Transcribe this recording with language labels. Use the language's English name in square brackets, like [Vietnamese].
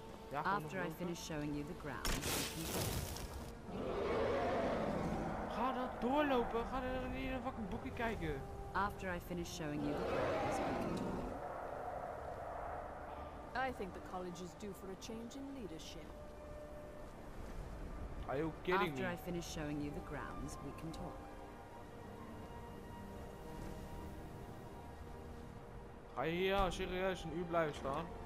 [English] Ja, after I finish showing you the ground, [Dutch] ga dat doorlopen, ga er in een fucking boekje kijken. [English] After I finish showing you the ground, I think the college is due for a change in leadership. Are you kidding after me? After I finish showing you the grounds, we can talk. [Dutch] Ga je hier al serieus een uur blijven staan?